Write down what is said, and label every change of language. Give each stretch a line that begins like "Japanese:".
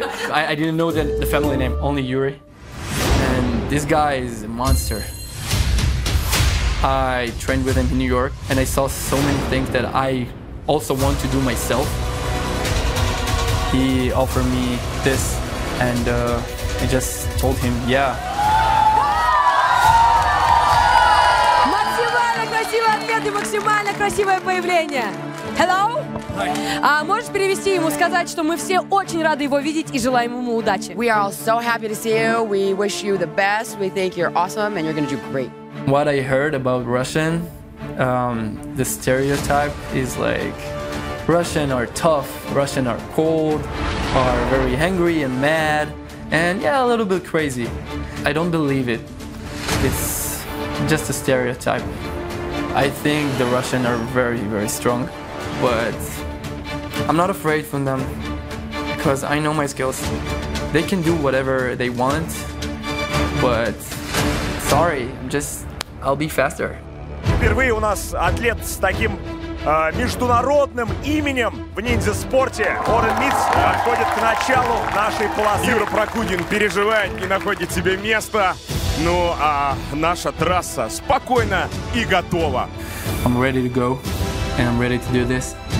English: I didn't know the family name, only Yuri. And this guy is a monster. I trained with him in New York, and I saw so many things that I also want to do myself. He offered me this, and I just told him, yeah.
Russian: Максимально красивый ответ и максимально красивое появление.
English: Hello? Hi.
Russian: Можешь перевести ему, сказать, что мы все очень рады его видеть и желаем ему удачи.
English: We are all so happy to see you. We wish you the best. We think you're awesome, and you're going to do great. What I heard about Russian, the stereotype is like Russian are tough, Russian are cold, are very angry and mad, and yeah, a little bit crazy. I don't believe it. It's just a stereotype. I think the Russian are very, very strong, but I'm not afraid from them because I know my skills. They can do whatever they want, but sorry, I'll be faster.
Russian: Впервые у нас атлет с таким международным именем в ниндзя-спорте. Уоррен Митс подходит к началу нашей полосы. Юра Прокудин переживает, не находит себе места. Ну, а наша трасса спокойна и готова.
English: I'm ready to go, and I'm ready to do this.